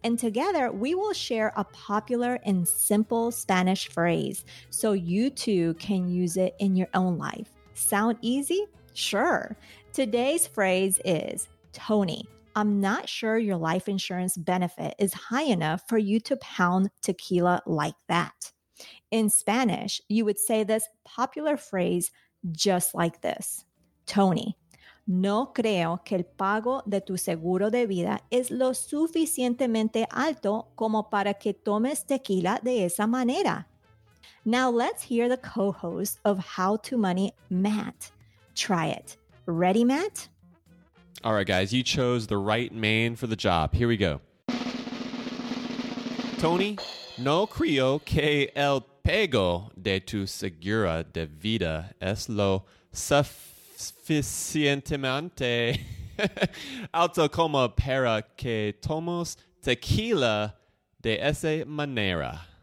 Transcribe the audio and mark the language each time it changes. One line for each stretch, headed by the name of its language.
English: And together we will share a popular and simple Spanish phrase so you too can use it in your own life. Sound easy? Sure. Today's phrase is, Tony, I'm not sure your life insurance benefit is high enough for you to pound tequila like that. In Spanish, you would say this popular phrase just like this.
Spanish: Tony, no creo que el pago de tu seguro de vida es lo suficientemente alto como para que tomes tequila de esa manera.
English: Now let's hear the co-host of How to Money, Matt. Try it. Ready, Matt? All right, guys, you chose the right man for the job. Here we go.
Spanish: Tony, no creo que el pago de tu seguro de vida es lo suficientemente alto como para que tomos tequila de esa manera.